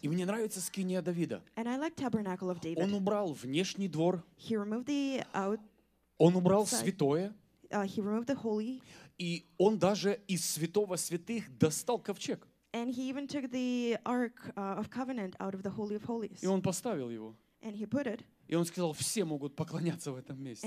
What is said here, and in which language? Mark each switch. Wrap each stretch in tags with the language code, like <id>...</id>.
<ru>И мне нравится скиния Давида.</ru> <en>And I like tabernacle of David.</en> <ru>Он убрал внешний двор.</ru> <en>He removed the outside.</en> <ru>Он убрал святое.</ru> <en>he removed the holy.</en> <ru>И он даже из святого святых достал ковчег.</ru> <en>And he even took the ark of covenant out of the holy of holies.</en> <ru>И он поставил его.</ru> <en>And he put it.</en> <ru>И он сказал, все могут поклоняться в этом месте.</ru>